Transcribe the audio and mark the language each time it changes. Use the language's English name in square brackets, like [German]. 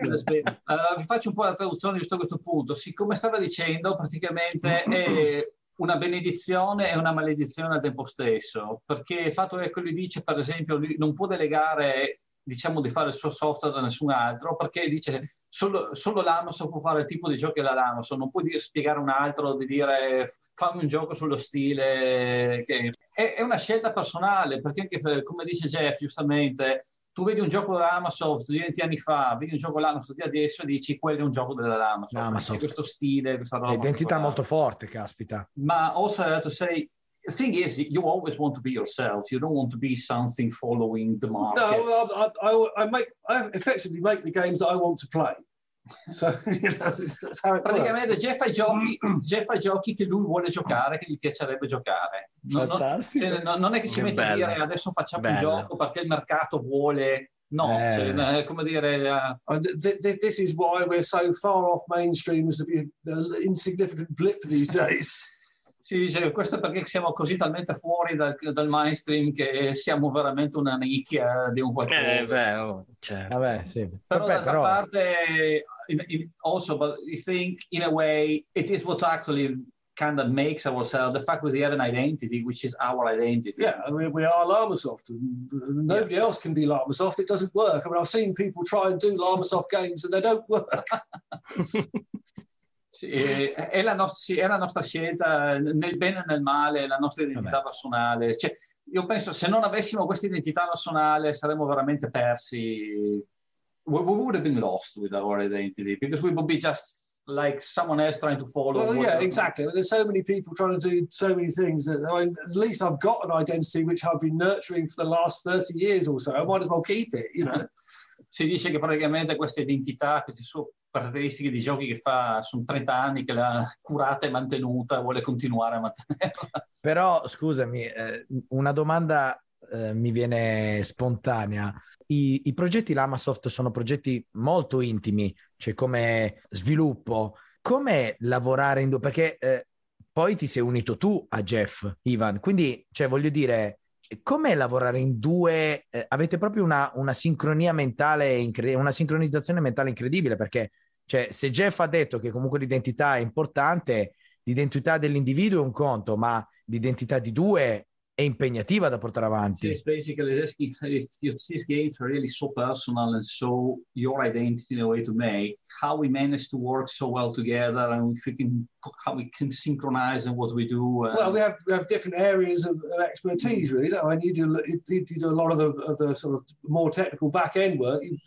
[Italian] Vi faccio un po' la traduzione giusto a questo punto. Siccome stava dicendo, praticamente è una benedizione e una maledizione al tempo stesso, perché il fatto che lui dice, per esempio, lui non può delegare, diciamo, di fare il suo software da nessun altro, perché dice solo l'Amazon può fare il tipo di gioco che l'Amazon, non può spiegare un altro, di dire fammi un gioco sullo stile. Che è una scelta personale, perché anche, come dice Jeff giustamente, tu vedi un gioco della Amazon di 20 anni fa, vedi un gioco dell'Amazon di adesso e dici quello è un gioco della Amazon. Questo stile, questa roba. L'identità molto forte, caspita. [English] Ma also I have to say, the thing is, you always want to be yourself. You don't want to be something following the market. No, I effectively make the games that I want to play. So, you know, [Italian] praticamente Jeff ha giochi che lui vuole giocare, che gli piacerebbe giocare. Non è che ci mette a dire adesso facciamo un gioco perché il mercato vuole, no, cioè, come dire, [English] This is why we're so far off mainstream, is to be an insignificant blip these days. [Italian] Sì, cioè, questo è perché siamo così talmente fuori dal mainstream che siamo veramente una nicchia di un qualcosa. Però, d'altra parte, [English] I think, in a way, it is what actually kind of makes ourselves, the fact that we have an identity, which is our identity. Yeah, I mean, we are LarmaSoft. Nobody else can be LarmaSoft. It doesn't work. I mean, I've seen people try and do LarmaSoft games and they don't work. [Italian] è la nostra scelta, nel bene e nel male, la nostra identità personale. Cioè, io penso, se non avessimo questa identità personale, saremmo veramente persi. [English] We would have been lost with our identity, because we would be just like someone else trying to follow. Well, yeah, exactly. There's so many people trying to do so many things that, I mean, at least I've got an identity which I've been nurturing for the last 30 years or so. I might as well keep it, you know. [Italian] Si dice che praticamente questa identità, questi suoi caratteristiche di giochi che fa, sono 30 anni che l'ha curata e mantenuta, vuole continuare a mantenerla. Però, scusami, una domanda mi viene spontanea. I progetti LarmaSoft sono progetti molto intimi, cioè come sviluppo. Com'è lavorare in due? Perché poi ti sei unito tu a Jeff, Ivan. Quindi, cioè, voglio dire, com'è lavorare in due? Avete proprio una sincronia mentale, una sincronizzazione mentale incredibile, perché, cioè, se Jeff ha detto che comunque l'identità è importante, l'identità dell'individuo è un conto, ma l'identità di due è impegnativa da portare avanti. [English] It's basically asking if these games are really so personal and so your identity in a way to make, how we manage to work so well together and if we can, how we can synchronize and what we do. Well, we have different areas of expertise, really. You do a lot of the sort of more technical back end work.